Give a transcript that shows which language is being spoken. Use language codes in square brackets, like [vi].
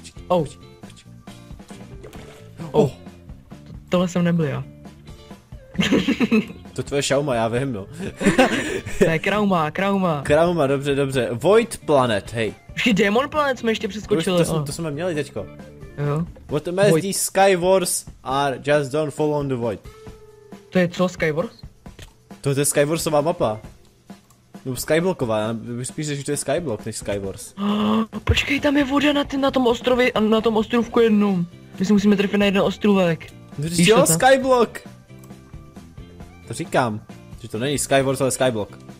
[cs] Počkej. Tohle jsem nebyl já. To tvoje šauma, já vím, no. Ne, krauma. Krauma, dobře. Void Planet, hej. Vždy, Demon Planet jsme ještě přeskočili. To jsme měli teďko. Jo. [en] What mess these Sky Wars are, just don't fall on the void. [cs] To je co, Sky Wars? To je Sky Warsová mapa. No, Skyblocková, já bych spíš řekl, že to je Skyblock, než Sky Wars. Počkej, tam je voda na tom ostrově, na tom ostrovku jednom. My si musíme trefit na jeden ostrovek. Jo, Skyblock! To říkám, že to není Sky Wars, ale Skyblock.